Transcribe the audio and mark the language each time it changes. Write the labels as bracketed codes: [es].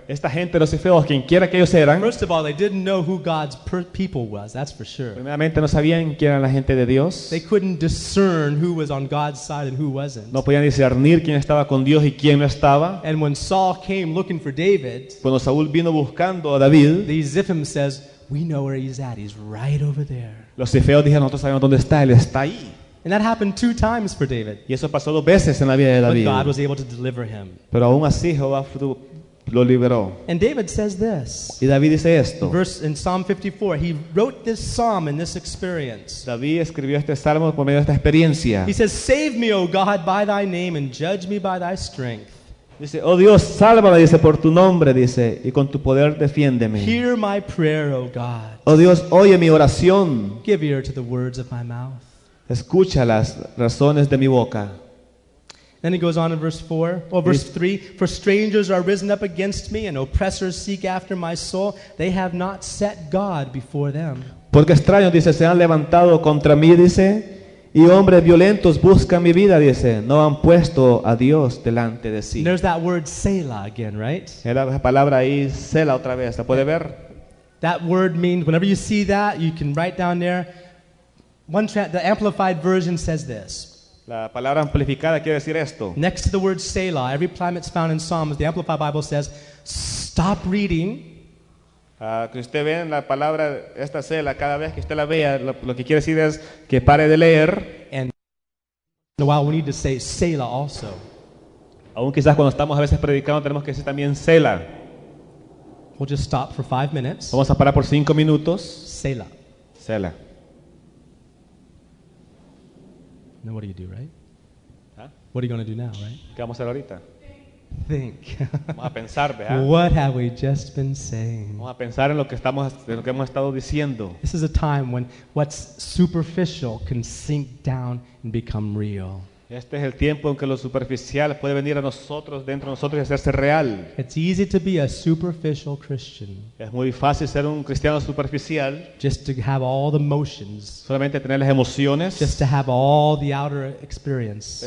[es] esta gente, los Cifeos, quienquiera que ellos eran, [en] first of all, they didn't know who God's people was, that's for sure. [es] Primeramente, no sabían quién era la gente de Dios. [en] They couldn't discern who was on God's side and who wasn't. [es] No podían discernir quién estaba con Dios y quién no estaba. [en] And when Saul came looking for David, [es] cuando Saúl vino buscando a David, [en] the Ziphim says, we know where he's at, he's right over there. [es] Los Cifeos dijeron, nosotros sabemos dónde está, él está ahí. [en] And that happened two times for David. [es] Y eso pasó dos veces en la vida de David. [en] But God was able to deliver him. [es] Pero aún así Jehová lo liberó. [en] And David says this. [es] Y David dice esto. [en] In Psalm 54, he wrote this psalm in this experience. [es] David escribió este salmo por medio de esta experiencia. [en] He says, save me, O God, by thy name, and judge me by thy strength. [es] Dice, oh Dios, sálvame, dice, por tu nombre, dice, y con tu poder defiéndeme. [en] Hear my prayer, O God. [es] Oh Dios, oye mi oración. [en] Give ear to the words of my mouth. [es] Escucha las razones de mi boca. [en] Then he goes on in verse 4, or verse 3. For strangers are risen up against me, and oppressors seek after my soul. They have not set God before them. [es] Porque extraños, dice, se han levantado contra mí, dice, y hombres violentos buscan mi vida, dice, no han puesto a Dios delante de sí. [en] And there's that word Selah again, right? [es] La palabra ahí, Selah, otra vez. ¿La puede ver? [en] That word means, whenever you see that, you can write down there, the Amplified Version says this. [es] La palabra amplificada quiere decir esto. [en] Next to the word Selah, every time it's found in Psalms, the Amplified Bible says, stop reading. [es] Que usted ve la palabra, esta Selah, cada vez que usted la vea, lo que quiere decir es que pare de leer. [en] And in a while we need to say Selah also. [es] Aún quizás cuando estamos a veces predicando tenemos que decir también Selah. [en] We'll just stop for 5 minutes. [es] Vamos a parar por 5 minutos. [en] Selah. [es] Selah. [en] Now what do you do, right? Huh? What are you going to do now, right? [es] ¿Qué vamos a hacer ahorita? [en] Think. [es] Vamos a pensar, ¿verdad? [en] What have we just been saying? [es] Vamos a pensar en lo que hemos estado diciendo. [en] This is a time when what's superficial can sink down and become real. [es] Este es el tiempo en que lo superficial puede venir a nosotros, dentro de nosotros y hacerse real. [en] It's easy to be a superficial Christian. [es] Es muy fácil ser un cristiano superficial. [en] Just to have all the motions. [es] Solamente tener las emociones. [en] Just to have all the outer experience.